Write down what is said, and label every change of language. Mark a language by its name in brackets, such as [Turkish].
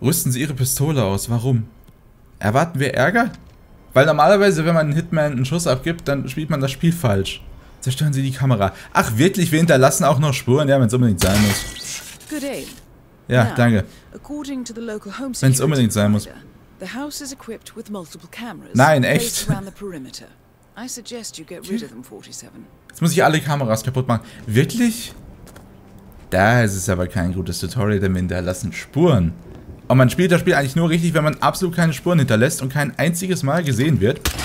[German] Rüsten Sie Ihre Pistole aus. Warum? Erwarten wir Ärger? Weil normalerweise, wenn man einen Hitman einen Schuss abgibt, dann spielt man das Spiel falsch. Zerstören Sie die Kamera. Ach wirklich, wir hinterlassen auch noch Spuren? Ja, wenn es unbedingt sein muss. Ja, danke. Wenn es unbedingt sein muss. [English] The house is equipped with multiple cameras. [German] Nein, echt. Jetzt muss ich alle Kameras kaputt machen. Wirklich? Da ist es aber kein gutes Tutorial, denn wir hinterlassen Spuren. Und man spielt das Spiel eigentlich nur richtig, wenn man absolut keine Spuren hinterlässt und kein einziges Mal gesehen wird.